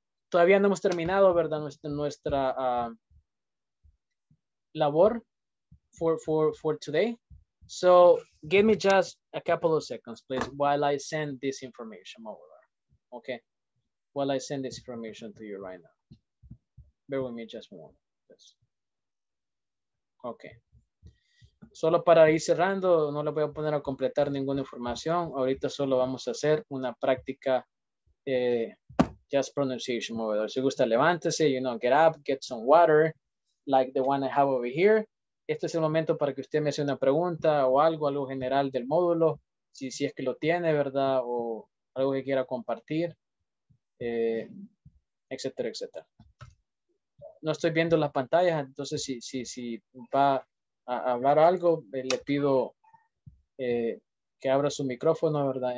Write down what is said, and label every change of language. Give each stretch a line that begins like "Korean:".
Spanish: Todavía no hemos terminado, ¿verdad? Nuestra labor
English: for today. So give me just a couple of seconds, please, while I send this information over. Okay? While I send this information to you right now. Bear with me just one. Yes. Okay.
Spanish: Solo para ir cerrando, no le voy a poner a completar ninguna información. Ahorita solo vamos a hacer una práctica
English: just pronunciation over.
Spanish: Si gusta, levántese,
English: you know, get up, get some water, like the one I have over here.
Spanish: Este es el momento para que usted me hace una pregunta o algo, algo general del módulo, si es que lo tiene, ¿verdad? O algo que quiera compartir, etcétera, etcétera. No estoy viendo las pantallas, entonces si va a hablar algo, le pido que abra su micrófono, ¿verdad?